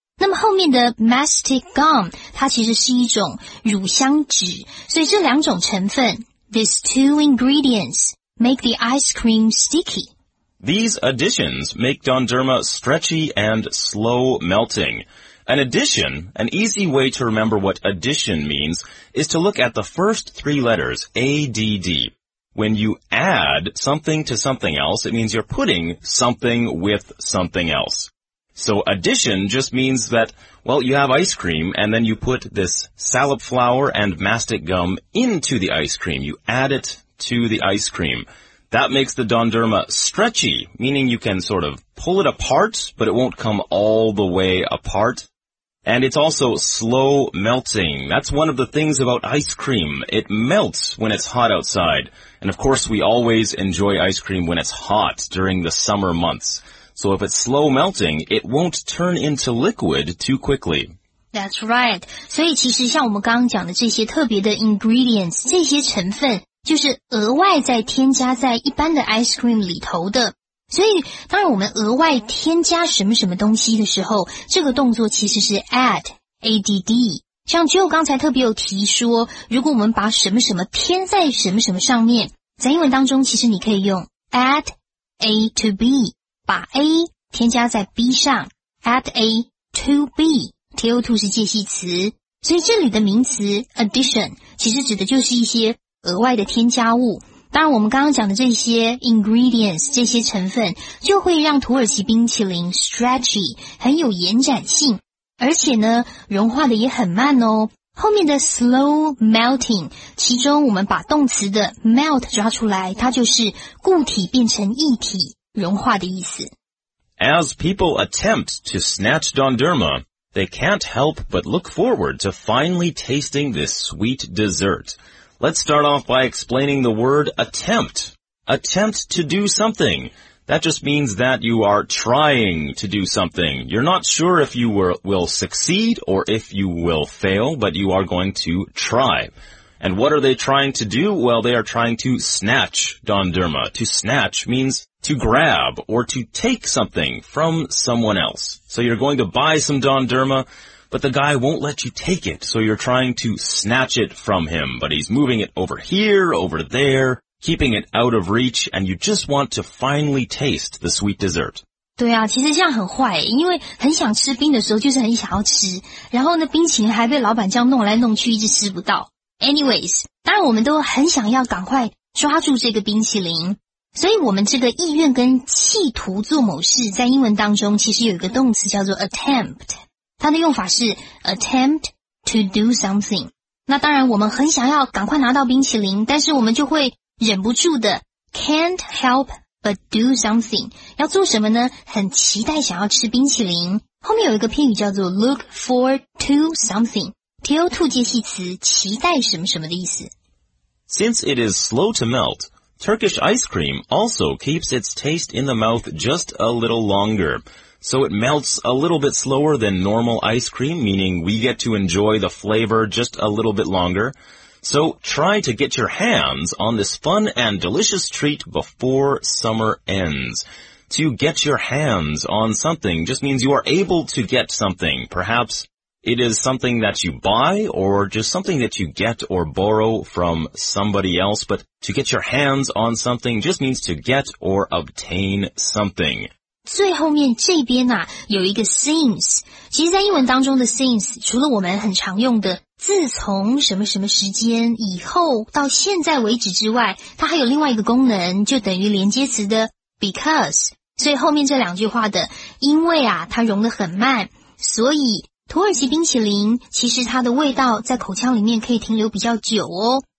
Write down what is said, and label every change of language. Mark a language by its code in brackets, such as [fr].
[zh] 那么后面的 mastic gum, 它其实是一种乳香脂，所以这两种成分 , [en] these two ingredients, make the ice cream sticky. These additions make Donderma stretchy and slow melting. An addition, an easy way to remember what addition means, is to look at the first three letters, A-D-D. When you add something to something else, it means you're putting something with something else. So addition just means that, well, you have ice cream and then you put this salep flour and mastic gum into the ice cream. You add it to the ice cream. That makes the Donderma stretchy, meaning you can sort of pull it apart, but it won't come all the way apart. And it's also slow melting. That's one of the things about ice cream. It melts when it's hot outside. And of course, we always enjoy ice cream when it's hot during the summer months. So if it's slow melting, it won't turn into liquid too quickly. That's right. [zh] 所以其实像我们刚刚讲的这些特别的 ingredients, 这些成分就是额外在添加在一般的 ice cream 里头的。所以当然我们额外添加什么什么东西的时候，这个动作其实是 add, A-D-D。像 Joe 刚才特别有提说，如果我们把什么什么添在什么什么上面，在英文当中其实你可以用 [en] add A to B, [zh] 把 A 添加在 B 上 ,add A to B, to to 是介系词。所以这里的名词 addition, 其实指的就是一些额外的添加物。当然我们刚刚讲的这些 ingredients, 这些成分就会让土耳其冰淇淋 stretchy, 很有延展性。而且呢融化的也很慢哦。后面的 slow melting, 其中我们把动词的 melt 抓出来，它就是固体变成液体融化的意思。 [en] As people attempt to snatch Donderma, they can't help but look forward to finally tasting this sweet dessert. Let's start off by explaining the word attempt. Attempt to do something. That just means that you are trying to do something. You're not sure if you will succeed or if you will fail, but you are going to try. And what are they trying to do? Well, they are trying to snatch Donderma. To snatch means to grab or to take something from someone else. So you're going to buy some Donderma. But the guy won't let you take it, so you're trying to snatch it from him. But he's moving it over here, over there, keeping it out of reach, and you just want to finally taste the sweet dessert. [zh] 对啊，其实这样很坏，因为很想吃冰的时候就是很想要吃，然后呢，冰淇淋还被老板这样弄来弄去，一直吃不到。 Anyways, 当然我们都很想要赶快抓住这个冰淇淋，所以我们这个意愿跟企图做某事，在英文当中其实有一个动词叫做 attempt。它的用法是 [en] attempt to do something。 [zh] 那当然我们很想要赶快拿到冰淇淋，但是我们就会忍不住的 [en] can't help but do something。 [zh] 要做什么呢？很期待想要吃冰淇淋。后面有一个片语叫做 [en] look forward to something。 [zh] to 介系词期待什么什么的意思。 [en] Since it is slow to melt, Turkish ice cream also keeps its taste in the mouth just a little longer. So it melts a little bit slower than normal ice cream, meaning we get to enjoy the flavor just a little bit longer. So try to get your hands on this fun and delicious treat before summer ends. To get your hands on something just means you are able to get something. Perhaps it is something that you buy or just something that you get or borrow from somebody else. But to get your hands on something just means to get or obtain something. [zh] 最后面这边啊有一个 since, 其实在英文当中的 since, 除了我们很常用的自从什么什么时间以后到现在为止之外，它还有另外一个功能，就等于连接词的 because, 所以后面这两句话的因为啊它融得很慢，所以土耳其冰淇淋其实它的味道在口腔里面可以停留比较久哦。